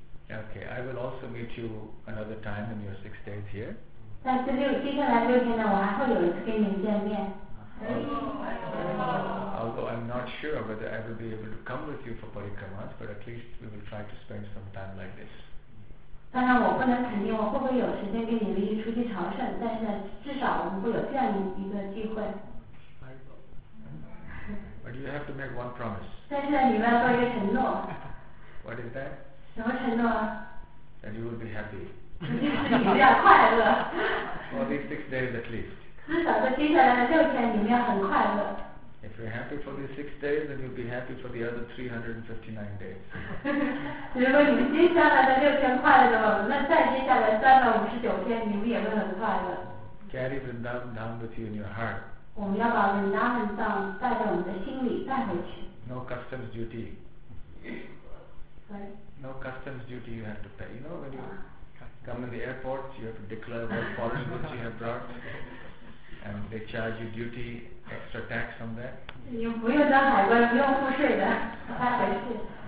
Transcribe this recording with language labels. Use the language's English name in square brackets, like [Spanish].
[English] Okay, I will also meet you another time in your 6 days here. [Chinese] 但是六接下来六天呢，我还会有一次跟您见面。 [English] Although I'm not sure whether I will be able to come with you for parikramas, but at least we will try to spend some time like this. [Chinese] 当然我不能肯定我会不会有时间跟你们一起出去朝圣，但是至少我们会有这样一个机会。 [English] But you have to make one promise. [Chinese] 但是你们要做一个承诺。 [English] What is that? [Chinese] 什么程度啊？ [English] And you will be happy. [Chinese] 就是你们要快乐。 [English] For these 6 days at least. [Chinese] 至少在接下来的六天，你们要很快乐。 [English] If you're happy for these 6 days, then you'll be happy for the other 359 days. [Chinese] 如果你们接下来的六天快乐的话，那再接下来359天，你们也会很快乐。 [English] Carry Vrindavan down with you in your heart. [Chinese] 我们要把 Vrindavan down 带在我们的心里带回去。 [English] No customs duty. Right. No customs duty you have to pay. You know when you come in the airport, you have to declare what foreign goods you have brought, and they charge you duty, extra tax on that. [Chinese] 你不用当海关，不用付税的，带回去。